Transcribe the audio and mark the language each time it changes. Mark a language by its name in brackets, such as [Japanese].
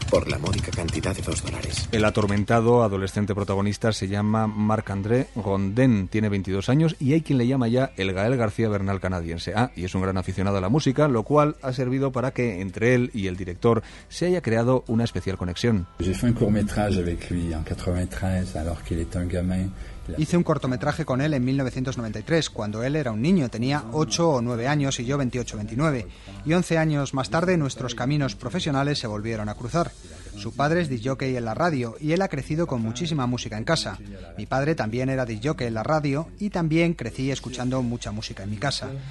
[Spanish] Por la módica cantidad de $2. El atormentado adolescente protagonista se llama Marc-André Rondin. Tiene 22 años y hay quien le llama ya el Gael García Bernal canadiense. Ah, y es un gran aficionado a la música, lo cual ha servido para que entre él y el director se haya creado una especial conexión. [French] J'ai fait un court-métrage avec lui en 93, alors qu'il est un gamin. [Spanish] Hice un cortometraje con él en 1993, cuando él era un niño, tenía 8 o 9 años y yo 28 o 29. Y 11 años más tarde, nuestros caminos profesionales se volvieron a cruzar. Su padre es disjockey en la radio y él ha crecido con muchísima música en casa. Mi padre también era disjockey en la radio y también crecí escuchando mucha música en mi casa.